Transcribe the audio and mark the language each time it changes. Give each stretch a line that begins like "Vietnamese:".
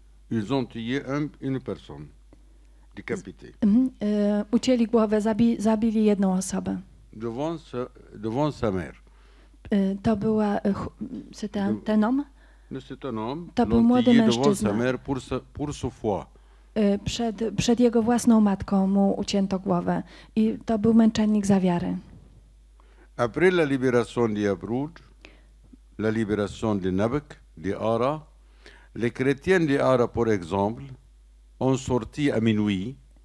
French: Ils ont tué une personne, décapité.
Polish: Ucięli głowę, zabili jedną osobę.
French: Devant sa mère.
Polish: To była, ten homme?
French: No, c'est un homme.
Polish: To był młody mężczyzna.
French: Devant sa mère pour sa foi.
Polish: Przed jego własną matką mu ucięto głowę. I to był męczennik za wiarę.
French: Après la libération de Yabroud, la libération de Nabek, de Ara, les chrétiens de Ara, par exemple, ont sorti à minuit.